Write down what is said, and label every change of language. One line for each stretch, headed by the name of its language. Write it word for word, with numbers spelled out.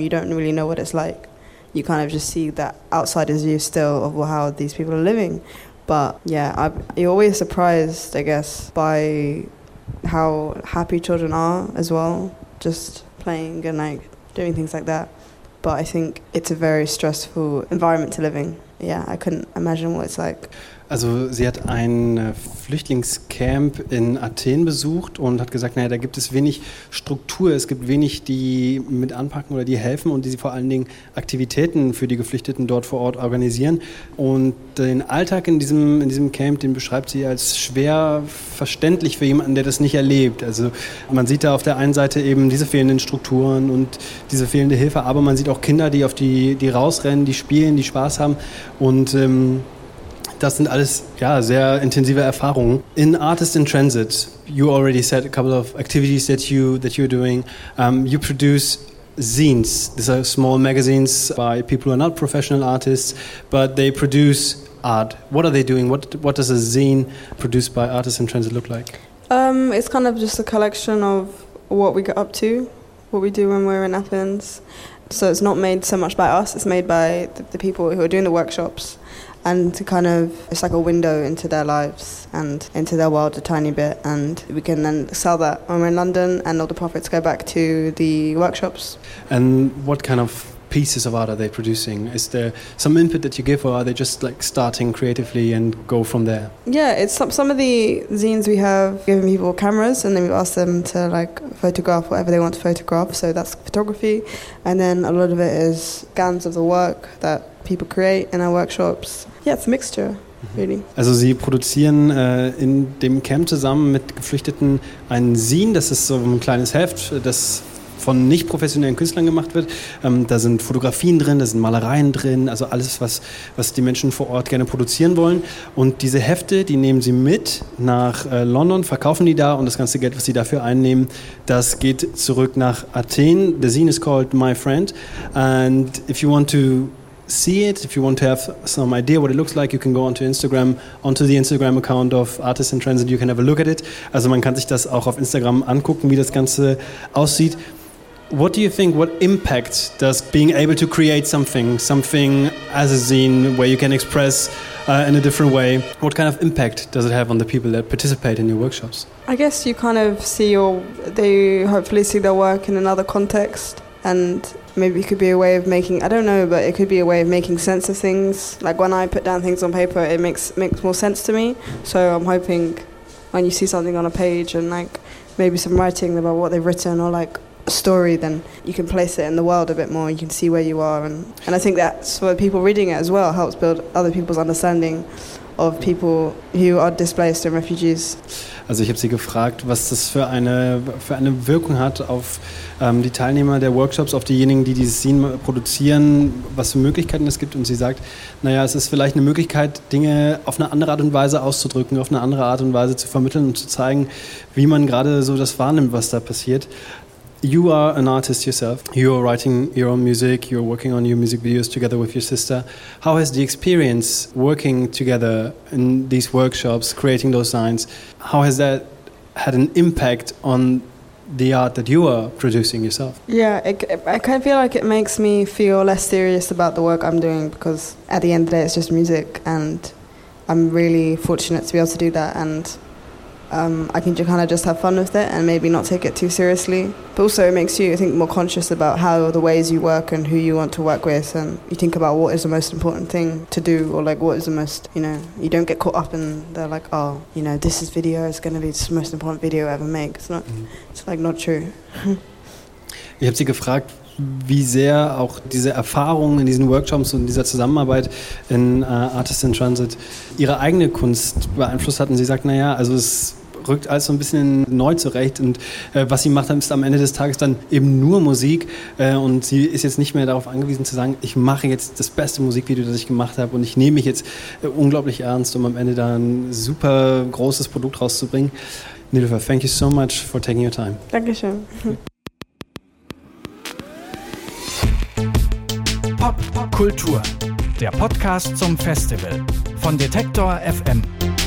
English: You don't really know what it's like. You kind of just see that outsider's view still of how these people are living. But yeah, I, you're always surprised, I guess, by how happy children are as well, just playing and like doing things like that. But I think it's a very stressful environment to live in. Yeah, I couldn't imagine what it's like.
German: Also sie hat ein Flüchtlingscamp in Athen besucht und hat gesagt, naja, da gibt es wenig Struktur, es gibt wenig, die mit anpacken oder die helfen und die vor allen Dingen Aktivitäten für die Geflüchteten dort vor Ort organisieren. Und den Alltag in diesem, in diesem Camp, den beschreibt sie als schwer verständlich für jemanden, der das nicht erlebt. Also man sieht da auf der einen Seite eben diese fehlenden Strukturen und diese fehlende Hilfe, aber man sieht auch Kinder, die auf die, die rausrennen, die spielen, die Spaß haben und ähm, das sind alles ja, sehr intensive Erfahrungen.
English: In Artists in Transit, you already said a couple of activities that, you, that you're doing. Um, you produce zines. These are small magazines by people who are not professional artists, but they produce art. What are they doing? What, what does a zine produced by Artists in Transit look like? Um, it's kind of just a collection of what we get up to, what we do when we're in Athens. So it's not made so much by us, it's made by the, the people who are doing the workshops. And to kind of, it's like a window into their lives and into their world a tiny bit, and we can then sell that when we're in London, and all the profits go back to the workshops. And what kind of pieces of art are they producing? Is there some input that you give, or are they just like starting creatively and go from there? Yeah, it's some, some of the zines we have given people cameras, and then we ask them to like photograph whatever they want to photograph, so that's photography, and then a lot of it is scans of the work that people create in our workshops. Yeah, it's a mixture.
German: Also sie produzieren äh, in dem Camp zusammen mit Geflüchteten einen Zine, das ist so ein kleines Heft, das von nicht professionellen Künstlern gemacht wird. Ähm, da sind Fotografien drin, da sind Malereien drin, also alles, was, was die Menschen vor Ort gerne produzieren wollen. Und diese Hefte, die nehmen sie mit nach äh, London, verkaufen die da, und das ganze Geld, was sie dafür einnehmen, das geht zurück nach Athen.
English: The zine is called My Friend, and if you want to see it. If you want to have some idea what it looks like, you can go onto Instagram, onto the Instagram account of Artists in Transit, you can have a look at it.
German: Also man kann sich das auch auf Instagram angucken, wie das Ganze aussieht.
English: What do you think, what impact does being able to create something, something as a zine where you can express uh, in a different way, what kind of impact does it have on the people that participate in your workshops? I guess you kind of see your, they hopefully see their work in another context, and maybe it could be a way of making, I don't know, but it could be a way of making sense of things. Like when I put down things on paper, it makes makes more sense to me. So I'm hoping when you see something on a page and like maybe some writing about what they've written or like, story, then you can place it in the world a bit more, you can see where you are, and, and I think that's for people reading it as well, helps build other people's understanding of people who are displaced and refugees.
German: Also ich habe sie gefragt, was das für eine, für eine Wirkung hat auf ähm, die Teilnehmer der Workshops, auf diejenigen, die dieses Scene produzieren, was für Möglichkeiten es gibt. Und sie sagt, naja, es ist vielleicht eine Möglichkeit, Dinge auf eine andere Art und Weise auszudrücken, auf eine andere Art und Weise zu vermitteln und zu zeigen, wie man gerade so das wahrnimmt, was da passiert.
English: You are an artist yourself. You are writing your own music. You're working on your music videos together with your sister. How has the experience working together in these workshops, creating those signs, how has that had an impact on the art that you are producing yourself? Yeah, it, I kind of feel like it makes me feel less serious about the work I'm doing, because at the end of the day, it's just music, and I'm really fortunate to be able to do that, and Um, I can just kind of just have fun with it and maybe not take it too seriously. But also it makes you, I think, more conscious about how the ways you work and who you want to work with, and you think about what is the most important thing to do, or like what is the most, you know, you don't get caught up in the like, oh, you know, this is video is going to be the most important video I ever make. It's not, it's like not true.
German: Ich habe sie gefragt, wie sehr auch diese Erfahrungen in diesen Workshops und dieser Zusammenarbeit in äh, Artists in Transit ihre eigene Kunst beeinflusst hatten. Sie sagt, naja, also es rückt alles so ein bisschen neu zurecht, und äh, was sie macht, ist am Ende des Tages dann eben nur Musik, äh, und sie ist jetzt nicht mehr darauf angewiesen zu sagen, ich mache jetzt das beste Musikvideo, das ich gemacht habe, und ich nehme mich jetzt äh, unglaublich ernst, um am Ende da ein super großes Produkt rauszubringen.
English: Nilüfer, thank you so much for taking your time.
German: Dankeschön. Pop Kultur, der Podcast zum Festival von Detektor F M.